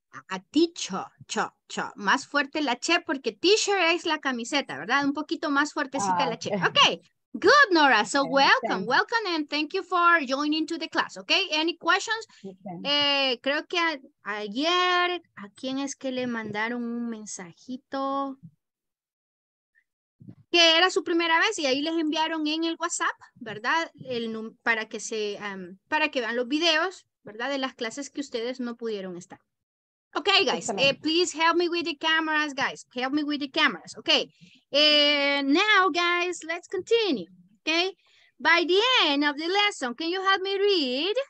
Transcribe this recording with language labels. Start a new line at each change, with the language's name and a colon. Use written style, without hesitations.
Spanish: A teacher, más fuerte la che, porque teacher es la camiseta, ¿verdad? Un poquito más fuertecita la che.
English: Okay, good, Nora. So okay, welcome, thanks. Welcome, and thank you for joining to the class, okay? Any questions? Okay.
Spanish: Creo que ayer, ¿a quién es que le mandaron un mensajito? Que era su primera vez y ahí les enviaron en el WhatsApp, ¿verdad? Para que vean los videos, ¿verdad? De las clases que ustedes no pudieron estar.
English: Okay, guys, please help me with the cameras, guys. Help me with the cameras. Okay, now, guys, let's continue. Okay, by the end of the lesson, can you help me read?